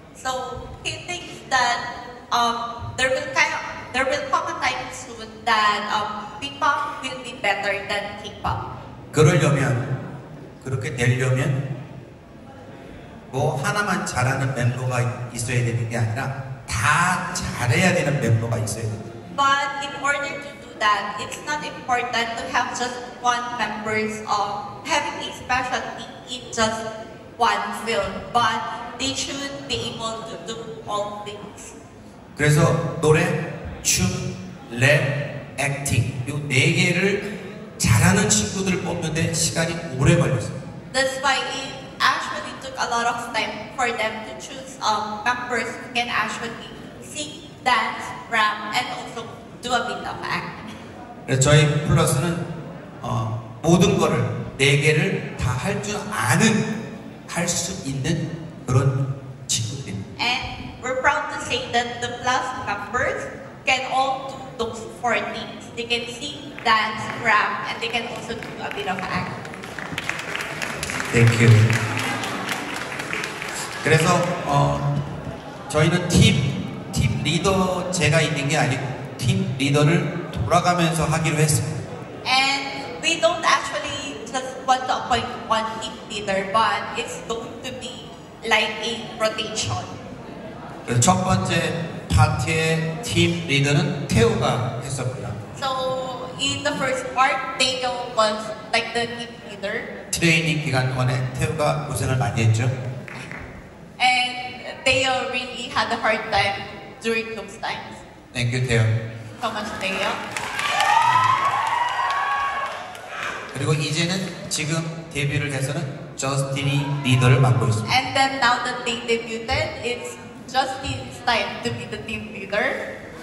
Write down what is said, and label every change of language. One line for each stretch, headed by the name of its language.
English: So he thinks that there will come a time soon that K-pop will be better than K-pop.
Korean: 그러려면 그렇게 되려면 뭐 하나만 잘하는 멤버가 있어야 되는 게 아니라 다 잘해야 되는 멤버가 있어야 돼.
English: But in order to do that, it's not important to have just one members of having a specialty in just one field, but they should be able to do all things.
Korean: 그래서 노래, 춤, 랩, 액팅 이 네 개를 잘하는 친구들을 뽑는데 시간이 오래 걸렸어.
English: That's why it actually took a lot of time for them to choose members who can actually sing, dance, rap, and also do a bit of acting.
Korean: 저희 플러스는 모든 거를 네 개를 다 할 줄 아는 할 수 있는 그런 친구들.
English: And we're proud to say that the PLUUS members can all do those four things. They can sing, dance, rap, and they can also do a bit of acting. Thank you.
Korean: 그래서 저희는 팀 리더 제가 있는 게 아니고 팀 리더를 돌아가면서 하기로 했습니다.
English: And we don't actually just want to appoint one team leader, but it's going to be like a rotation.
Korean: 첫 번째 파트의 팀 리더는 태우가 했었고요.
English: So in the first part, Daniel was like the team leader.
Korean: 트레이닝 기간 동안에 태우가 고생을 많이 했죠.
English: And Theo really had a hard time during those times. Thank you, Theo. So much, Theo.
Korean: 그리고 이제는 지금 데뷔를 해서는 Justin이 리더를 맡고 있습니다.
English: And then now that they debuted, it's Justin's time to be the team leader.